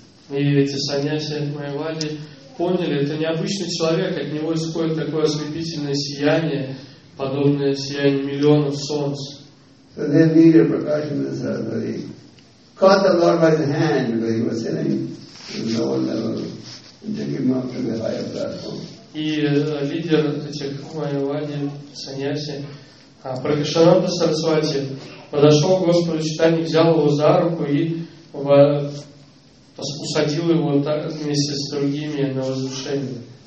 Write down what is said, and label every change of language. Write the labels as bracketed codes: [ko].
[ru] И эти саньяси Майавади поняли, это необычный человек, от него исходит такое ослепительное сияние, подобное сиянию миллионов солнц. [en] So then Vidya Prakashana Saraswati caught the Lord by the hand, because he was sitting in the lower level, and took him up to the higher platform. [ru] И лидер этих Майавади, саньяси, Прагашананда Сарасвати, подошел к Господу Чайтанье, взял его за руку и посадил его так вместе с другими на возвышение.